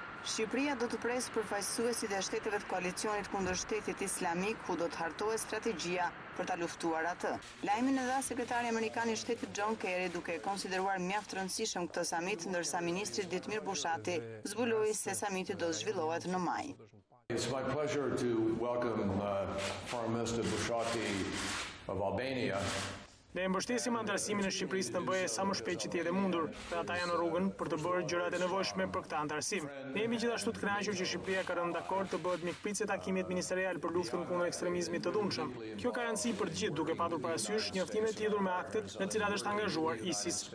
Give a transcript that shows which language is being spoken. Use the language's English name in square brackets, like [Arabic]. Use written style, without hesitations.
[Albanian] Shqipëria do të presë përfaqësuesit e shteteve të koalicionit kundër Shtetit Islamik, ku do të hartohet strategjia për ta luftuar atë. Lajmin e dha sekretari amerikan i Shtetit John Kerry, duke konsideruar mjaft rëndësishëm këtë samit, ndërsa ministri Ditmir Bushati zbuloi se samiti do zhvillohet në maj. [English] It's my pleasure to welcome Foreign Minister Bushati of Albania. [Albanian] Ne mbështesim antarësimin e Shqipërisë të bëjë sa më shpejt që t'jetë mundur, dhe ata janë në rrugën për të bërë gjërat e nevojshme për këtë antarësim. Ne jemi gjithashtu të kënaqur që Shqipëria ka rënë dakord të bëhet mjekpritës e takimit ministerial për luftën kundër ekstremizmit të dhunshëm. Kjo ka rëndësi për të gjithë, duke patur parasysh njoftimin e tjetër me aktet në të cilat është angazhuar ISIS.